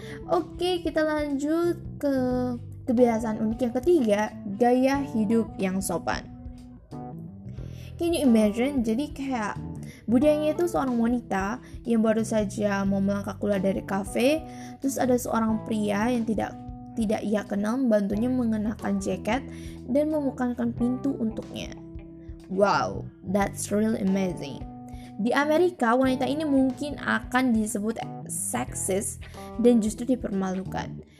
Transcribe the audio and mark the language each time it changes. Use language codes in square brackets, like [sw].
[id] Oke, kita lanjut ke kebiasaan unik yang ketiga, gaya hidup yang sopan. [en] Can you imagine? [id] Jadi kayak budayanya itu seorang wanita yang baru saja mau melangkah keluar dari kafe, terus ada seorang pria yang tidak ia kenal membantunya mengenakan jaket dan membukakan pintu untuknya. [en] Wow, that's really amazing. [id] Di Amerika, wanita ini mungkin akan disebut seksis dan justru dipermalukan.